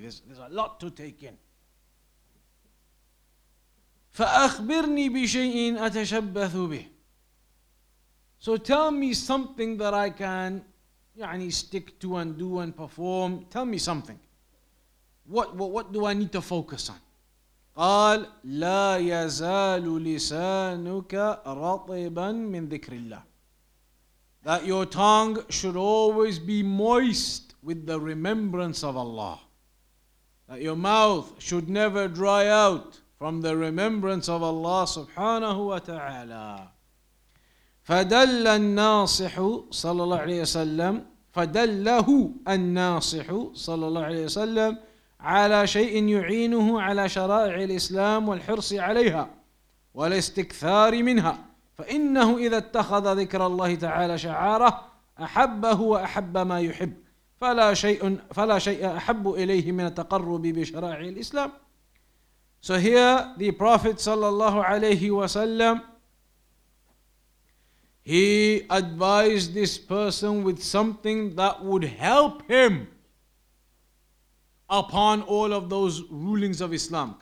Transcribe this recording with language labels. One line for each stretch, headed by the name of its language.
English: There's a lot to take in.
Arabic: فأخبرني بشيء أتشبث به.
English: So tell me something that I can, يعني, stick to and do and perform. Tell me something. What do I need to focus on?
Arabic: قال لا يزال لسانك رطبا من ذكر الله.
English: That your tongue should always be moist with the remembrance of Allah. That your mouth should never dry out from the remembrance of Allah subhanahu wa ta'ala.
Arabic: فَدَلَّ النَّاصِحُ صَلَى اللَّهُ عَلَيْهِ وَسَلَّمُ فَدَلَّهُ النَّاصِحُ صَلَى اللَّهُ عَلَيْهِ وَسَلَّمُ على شيء يعينه على شرائع الإسلام والحرص عليها والاستكثار منها فإنه إذا اتخذ ذكر الله تعالى شعاره أحبه وأحب ما يحب فلا شيء أحب إليه من التقرب بشرائع الإسلام.
English: So here the Prophet
Arabic: صلى الله عليه وسلم,
English: he advised this person with something that would help him upon all of those rulings of Islam.